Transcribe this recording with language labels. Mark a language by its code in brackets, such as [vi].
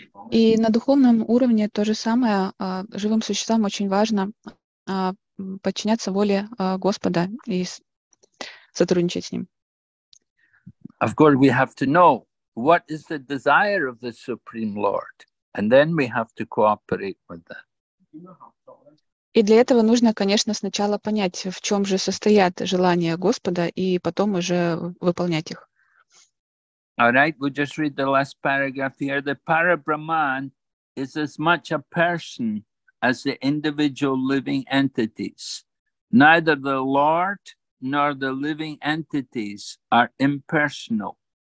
[ru] И на духовном уровне то же самое. Живым существам очень важно подчиняться воле Господа и сотрудничать с ним. [en] Of course, we have to know what is the desire of the Supreme Lord, and then we have to cooperate with that. [ru] И для этого нужно, конечно, сначала понять, в чем же состоят желания Господа, и потом уже выполнять их. [en] All right, we'll just read the last paragraph here. The Parabrahman is as much a person as the individual living entities. Neither the Lord nor the living entities are impersonal.